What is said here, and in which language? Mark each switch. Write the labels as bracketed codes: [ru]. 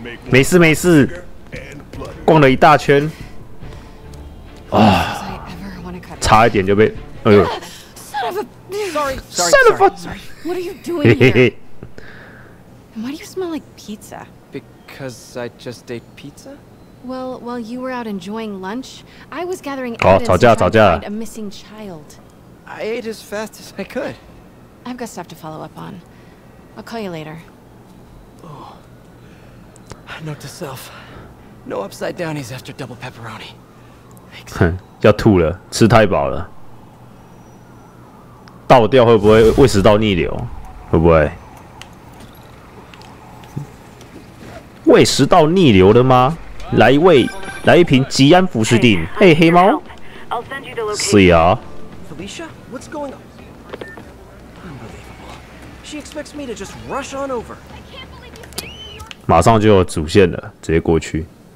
[zh] 没事没事，逛了一大圈，啊，差一点就被……哎呦！ [en] Sorry, sorry, sorry. What are you doing here? And why do you smell like pizza? Because I just ate pizza. Well, while you were out enjoying lunch, I was gathering evidence to find a missing child. I ate as fast as I could. I've got stuff to follow up on. I'll call you later. Oh. Note to self: no upside downies after double pepperoni. [zh] Thanks. 要吐了，吃太饱了。倒掉会不会胃食道逆流？会不会胃食道逆流了吗？来一位，来一瓶吉安福士丁。嘿、hey, 黑猫，是呀。 [en] Felicia, what's going on? She expects me to just rush on over. [zh] 马上就有主线了，直接过去。